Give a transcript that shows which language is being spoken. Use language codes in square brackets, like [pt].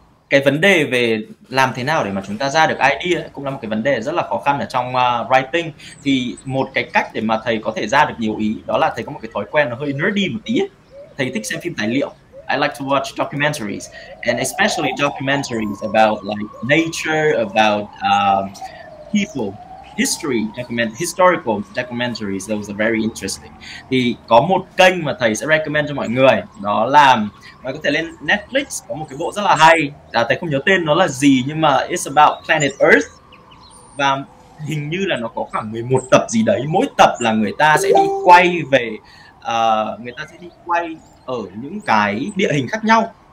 [vi] Cái vấn đề về làm thế nào để mà chúng ta ra được idea cũng là một cái vấn đề rất là khó khăn ở trong writing. Thì một cái cách để mà thầy có thể ra được nhiều ý đó là thầy có một cái thói quen nó hơi nerdy một tí. Thầy thích xem phim tài liệu. [en] I like to watch documentaries, and especially documentaries about like nature, about people, history, historical documentaries. Those are very interesting. [vi] Thì có một kênh mà thầy sẽ recommend cho mọi người, đó là mọi có thể lên Netflix, có một cái bộ rất là hay. Thầy không nhớ tên nó là gì, nhưng mà [en] it's about planet Earth. [vi] Và hình như là nó có khoảng 11 tập gì đấy. Mỗi tập là người ta sẽ đi quay về, người ta sẽ đi quay ở những cái địa hình khác nhau.